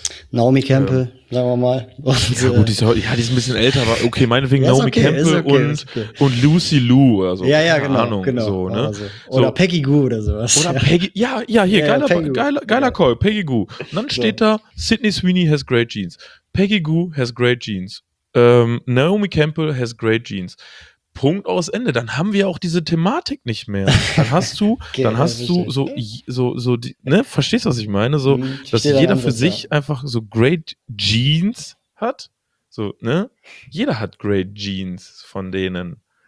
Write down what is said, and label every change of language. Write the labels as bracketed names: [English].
[German] Naomi Campbell, sagen wir mal. Und, ja, gut, die ist ein bisschen älter, aber okay, meinetwegen Naomi Campbell und Lucy Liu oder so. Ja, ja, genau. Ahnung, genau so, ne? Also, oder so. Peggy Gou oder sowas. Oder Peggy, geiler Call, Peggy Gou. Und dann steht da, [English] Sydney Sweeney has great jeans. Peggy Gou has great jeans. Naomi Campbell has great jeans. [German] Punkt aus Ende, dann haben wir auch diese Thematik nicht mehr. Verstehst du, was ich meine? So, dass jeder für sich einfach so great Jeans hat. So, ne? Jeder hat great Jeans von denen.